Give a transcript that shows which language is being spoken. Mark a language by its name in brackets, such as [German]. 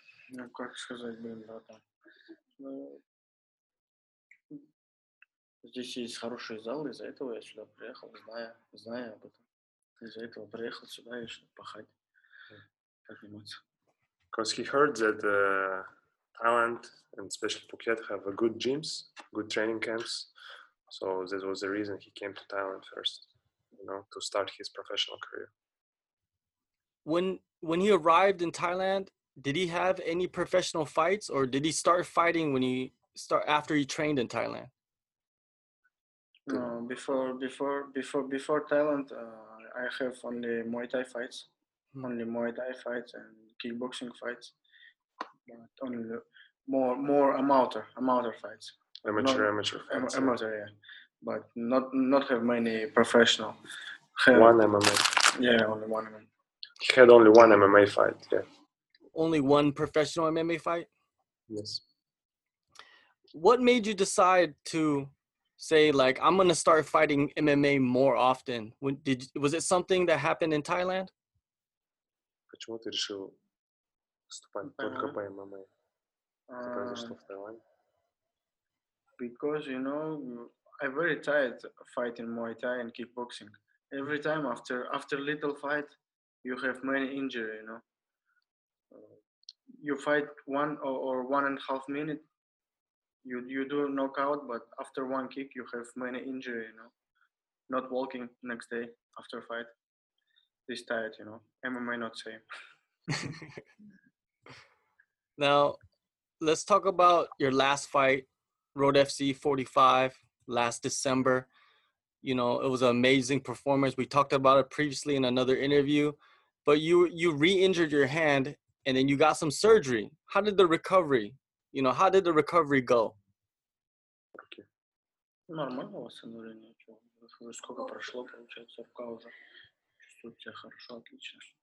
[Russian] Ну, как сказать, блин, братан. Ну, здесь есть хорошие залы, из-за этого я сюда приехал, зная об этом. Из-за этого приехал сюда и чтобы пахать. Подниматься. [English] Because he heard that Thailand, and especially Phuket, have a good gyms, good training camps. So this was the reason he came to Thailand first. You know, to start his professional career. When he arrived in Thailand, did he have any professional fights, or did he start fighting after he trained in Thailand? No, before Thailand, I have only Muay Thai fights, only Muay Thai fights and kickboxing fights, but only more amateur fights. Amateur yeah. But not have many professional. One MMA. Yeah, only one MMA. He had only one MMA fight, yeah. Only one professional MMA fight? Yes. What made you decide to say, like, I'm going to start fighting MMA more often? Was it something that happened in Thailand? [Russian] Почему ты решил вступать только по MMA? Что в Таиланде? [English] Because, you know, I'm very tired fighting Muay Thai and kickboxing. Every time after little fight, you have many injury, you know. You fight one or 1.5 minutes, you do a knockout, but after one kick, you have many injury, you know. Not walking next day after fight. This tired, you know. MMA not same. Now, let's talk about your last fight, Road FC 45. Last December, you know, it was an amazing performance. We talked about it previously in another interview, but you re-injured your hand and then you got some surgery. How did the recovery, you know, how did the recovery go? [Russian] Нормально восстановление, чего? Сколько прошло, получается, рука уже чувствует себя хорошо, отлично.